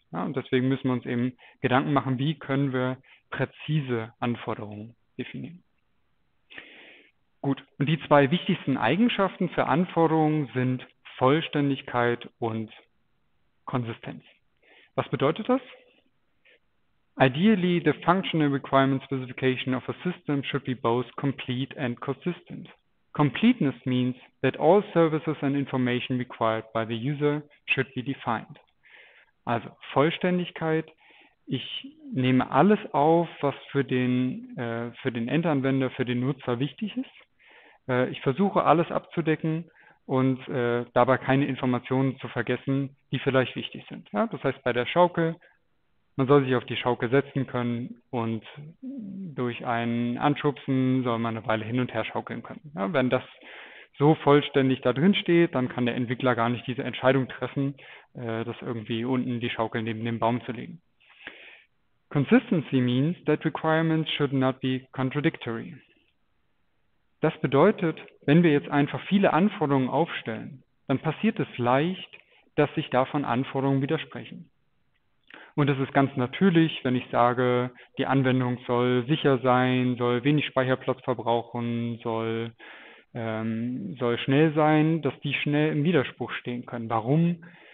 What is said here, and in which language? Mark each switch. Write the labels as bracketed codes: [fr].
[de] Ja, und deswegen müssen wir uns eben Gedanken machen, wie können wir präzise Anforderungen definieren. Gut, und die zwei wichtigsten Eigenschaften für Anforderungen sind Vollständigkeit und Konsistenz. Was bedeutet das? [en] Ideally, the functional requirement specification of a system should be both complete and consistent. Completeness means that all services and information required by the user should be defined. [de] Also Vollständigkeit. Ich nehme alles auf, was für den Endanwender, für den Nutzer wichtig ist. Ich versuche alles abzudecken und dabei keine Informationen zu vergessen, die vielleicht wichtig sind. Ja, das heißt bei der Schaukel, man soll sich auf die Schaukel setzen können und durch ein Anschubsen soll man eine Weile hin und her schaukeln können. Ja, wenn das so vollständig da drin steht, dann kann der Entwickler gar nicht diese Entscheidung treffen, das irgendwie unten die Schaukel neben dem Baum zu legen. [en] Consistency means that requirements should not be contradictory. [de] Das bedeutet, wenn wir jetzt einfach viele Anforderungen aufstellen, dann passiert es leicht, dass sich davon Anforderungen widersprechen. Und das ist ganz natürlich, wenn ich sage, die Anwendung soll sicher sein, soll wenig Speicherplatz verbrauchen, soll schnell sein, dass die schnell im Widerspruch stehen können. Warum?